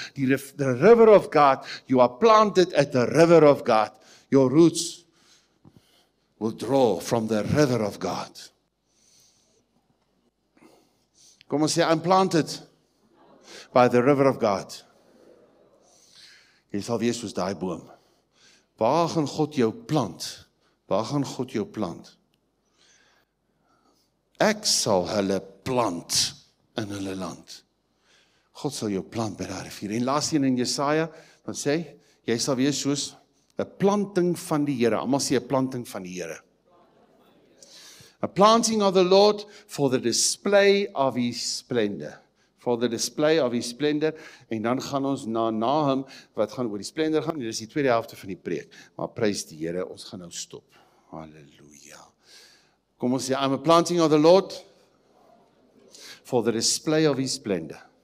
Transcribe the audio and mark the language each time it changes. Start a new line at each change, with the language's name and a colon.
English: The river of God, you are planted at the river of God. Your roots will draw from the river of God.
Afrikaans: Kom ons sê,
English: I'm planted by the river of God.
Afrikaans: Jy sal wees soos daai boom. Waar gaan God jou plant? Waar gaan God jou plant? Ek sal hulle plant in hulle land. God sal jou plant by daai rivier. En laas een in Jesaja, wat sê, jy sal wees soos a planting van die Here. Almal sê 'n planting van die Here.
English: A planting of the Lord for the display of his splendor. For the display of his splendor.
Afrikaans: En dan gaan ons na hom wat gaan oor die splendor gaan. Dit is die tweede helfte van die preek. Maar prys die Here, ons gaan nou stop. Halleluja. Kom ons sê,
English: I'm a planting of the Lord for the display of His splendor.